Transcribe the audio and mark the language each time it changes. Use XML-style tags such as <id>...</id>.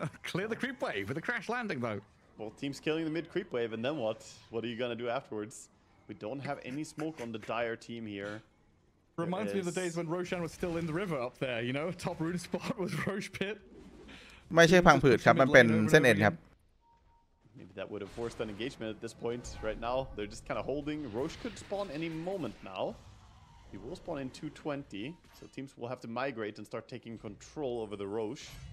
<en>Clear the creep wave with a crash landing, though. Both teams killing the mid creep wave, and then what? What are you gonna do afterwards? We don't have any smoke on the dire team here. Reminds me of the days when Roshan was still in the river up there. You know, top rune spot was Rosh Pit.</en> <th>ไม่ใช่พังผืดครับมันเป็นเส้นเอ็นครับ</th> <en>Maybe that would have forced an engagement at this point. Right now, they're just kind of holding. Rosh could spawn any moment now. He will spawn in 220, so teams will have to migrate and start taking control over the Roche.</en>